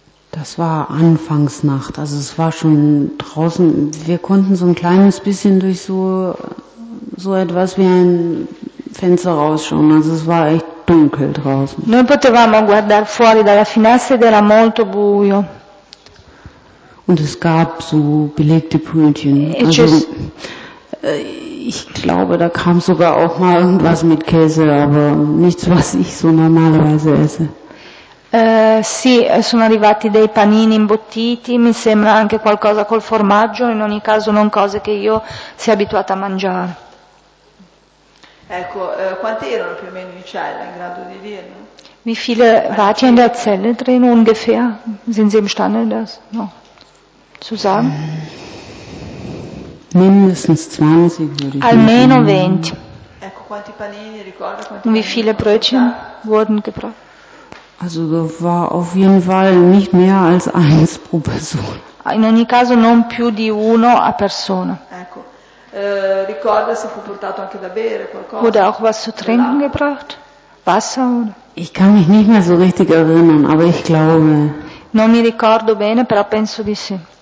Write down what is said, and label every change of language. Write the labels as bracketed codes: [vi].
[de] Das war Anfangsnacht, also es war schon draußen, wir konnten so ein kleines bisschen durch so etwas wie ein Fenster rausschauen, also es war echt dunkel draußen. [it] Noi potevamo guardare fuori dalla finestra ed era molto buio. [de] Und es gab so belegte Brötchen. Also, ich glaube, da kam sogar auch mal irgendwas mit Käse, aber nichts, was ich so normalerweise esse. [it] Sì, sono arrivati dei panini imbottiti, mi sembra anche qualcosa col formaggio, in ogni caso non cose che io sia abituata a mangiare. Ecco, quanti erano più o meno in cella, in grado di dirlo? [de] Wie viele wart ihr in der Zelle drin ungefähr? Sind Sie imstande das? No. Zu sagen? Mindestens 20 würde ich. [it] Almeno 20. Ecco, quanti panini, ricorda quanti? [de] Wie viele Brötchen wurden gebracht? Also war auf jeden Fall nicht mehr als eins pro Person. [it] In ogni caso non più di uno a persona. Ecco. Ricorda se fu portato anche da bere qualcosa. [de] Wurde auch was zu trinken gebracht? Wasser oder? Ich kann mich nicht mehr so richtig erinnern, aber ich glaube. [it] Non mi ricordo bene, però penso di sì.